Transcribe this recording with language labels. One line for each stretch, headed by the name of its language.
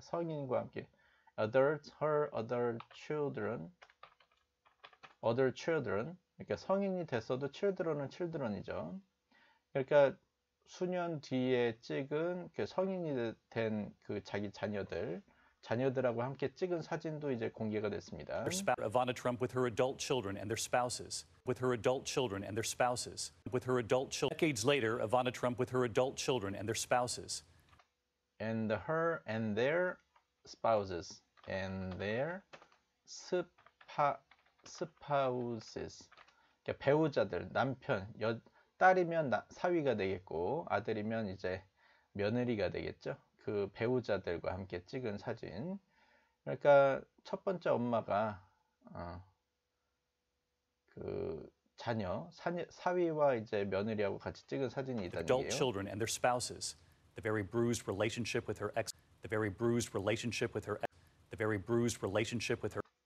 Korean: 성인과 함께
English: other children.
Korean: 그러니까 성인이 됐어도 children은 children이죠. 그러니까 수년 뒤에 찍은 그 성인이 된그 자기 자녀들하고 함께 찍은 사진도 이제 공개가 됐습니다.
English: Ivana Trump with her adult children and their spouses. With her adult children and their spouses. With her adult children. Decades later, Ivana Trump with her adult children and their spouses. And her and their spouses and their spouses.
Korean: 그러니까 배우자들, 남편, 딸이면 사위가 되겠고, 아들이면 이제 며느리가 되겠죠. 그 배우자들과 함께 찍은 사진. 그러니까 첫 번째 엄마가 그 자녀, 사위와 이제 며느리하고 같이 찍은 사진이 있다는
English: Adult
Korean: 얘기예요.
English: children and their spouses, the very bruised relationship with her ex, the very bruised relationship with her ex, the very bruised relationship with her.